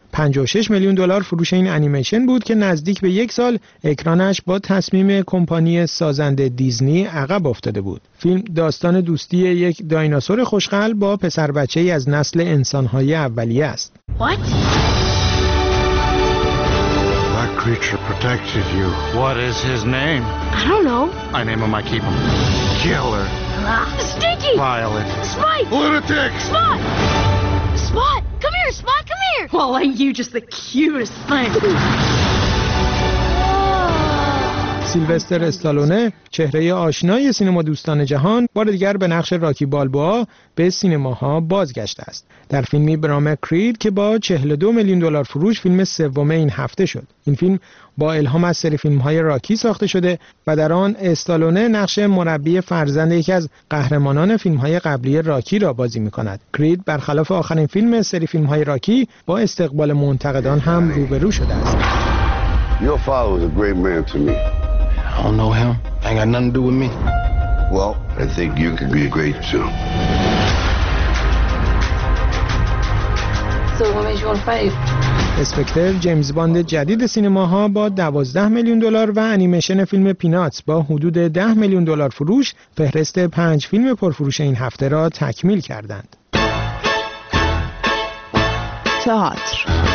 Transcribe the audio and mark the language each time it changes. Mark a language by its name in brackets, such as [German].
[Persian] 56 میلیون دلار فروش این انیمیشن بود که نزدیک به یک سال اکرانش با تصمیم کمپانی سازنده دیزنی عقب افتاده بود. فیلم داستان دوستی یک دایناسور خوشقلب با پسر بچه‌ای از نسل انسان‌های اولیه است. [English] What? Creature protected you. What is his name? I don't know. I name him, I keep him. Killer. Stinky. Violet. Spike. Lunatic. Spot. Spot. Come here, Spot, come here. Well, ain't you just the cutest thing? [Persian] سیلوستر استالونه، چهره آشنای سینما دوستان جهان، بار دیگر به نقش راکی بالبوا به سینماها بازگشته است. در فیلمی به نام کرید که با 42 میلیون دلار فروش فیلم سوم این هفته شد. این فیلم با الهام از سری فیلم‌های راکی ساخته شده و در آن استالونه نقش مربی فرزند یکی از قهرمانان فیلم‌های قبلی راکی را بازی می‌کند. کرید برخلاف آخرین فیلم سری فیلم‌های راکی با استقبال منتقدان هم روبرو شده است. [English] Your father was a great man to me. I don't know him. Ain't got nothing to do with me. Well, I think you could be great too. So what made you want to fight? [Persian] اسپکتر جیمز باند جدید سینماها با 12 میلیون دلار و انیمیشن فیلم پیناتس با حدود 10 میلیون دلار فروش فهرست 5 فیلم پرفروش این هفته را تکمیل کردند. تئاتر.